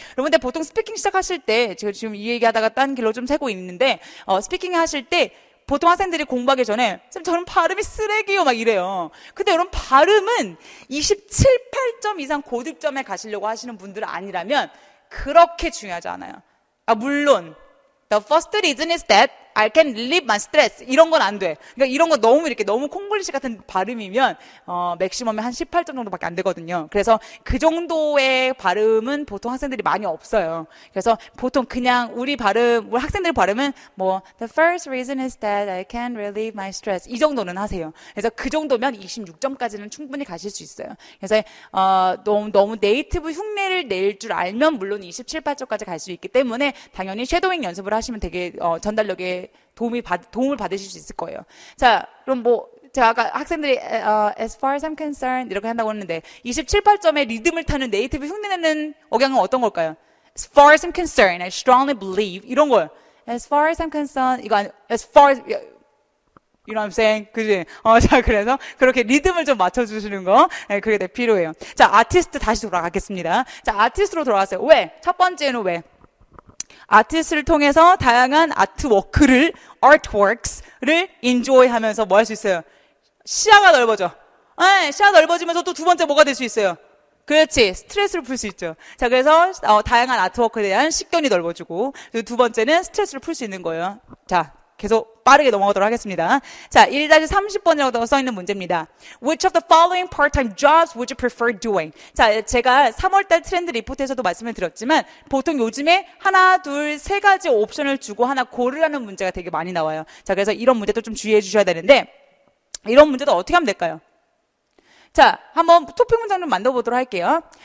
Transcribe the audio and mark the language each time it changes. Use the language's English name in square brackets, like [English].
[Korean] 여러분들 보통 스피킹 시작하실 때, 제가 지금 이 얘기하다가 딴 길로 좀 새고 있는데, 스피킹 하실 때, 보통 학생들이 공부하기 전에 선생님 저는 발음이 쓰레기요 막 이래요. 근데 여러분 발음은 27, 8점 이상 고득점에 가시려고 하시는 분들 아니라면 그렇게 중요하지 않아요. 아 물론 [English] The first reason is that I can relieve my stress. [Korean] 이런 건 안 돼. 그러니까 이런 거 너무 이렇게 너무 콩글리시 같은 발음이면 맥시멈에 한 18점 정도밖에 안 되거든요. 그래서 그 정도의 발음은 보통 학생들이 많이 없어요. 그래서 보통 그냥 우리 발음, 우리 학생들 발음은 뭐 [English] The first reason is that I can relieve my stress. [Korean] 이 정도는 하세요. 그래서 그 정도면 26점까지는 충분히 가실 수 있어요. 그래서 너무 네이티브 흉내를 낼 줄 알면 물론 27, 8점까지 갈 수 있기 때문에 당연히 쉐도잉 연습을 하시면 되게 전달력에 도움을 받으실 수 있을 거예요. 자, 그럼 뭐 제가 아까 학생들이 [English] as far as I'm concerned [Korean] 이렇게 한다고 했는데 27, 8점의 리듬을 타는 네이티브 흉내내는 억양은 어떤 걸까요? [English] As far as I'm concerned, I strongly believe [Korean] 이런 거예요. [English] As far as I'm concerned [Korean] 이거 아니, [English] as far as You know what I'm saying? [Korean] 그지? 자, 그래서 그렇게 리듬을 좀 맞춰주시는 거 네, 그게 되게 필요해요. 자, 아티스트 다시 돌아가겠습니다. 자, 아티스트로 돌아왔어요. 왜? 첫 번째는 왜? 아티스트를 통해서 다양한 아트워크를, artworks를 enjoy 하면서 뭐 할 수 있어요? 시야가 넓어져. 네, 시야 넓어지면서 또 두 번째 뭐가 될 수 있어요? 그렇지. 스트레스를 풀 수 있죠. 자, 그래서 다양한 아트워크에 대한 식견이 넓어지고 그리고 두 번째는 스트레스를 풀 수 있는 거예요. 자, 계속 빠르게 넘어가도록 하겠습니다. 자, 1-30번이라고 써있는 문제입니다. [English] Which of the following part-time jobs would you prefer doing? [Korean] 자, 제가 3월달 트렌드 리포트에서도 말씀을 드렸지만 보통 요즘에 하나, 둘, 세 가지 옵션을 주고 하나 고르라는 문제가 되게 많이 나와요. 자, 그래서 이런 문제도 좀 주의해 주셔야 되는데 이런 문제도 어떻게 하면 될까요? 자, 한번 토픽 문장 좀 만들어보도록 할게요.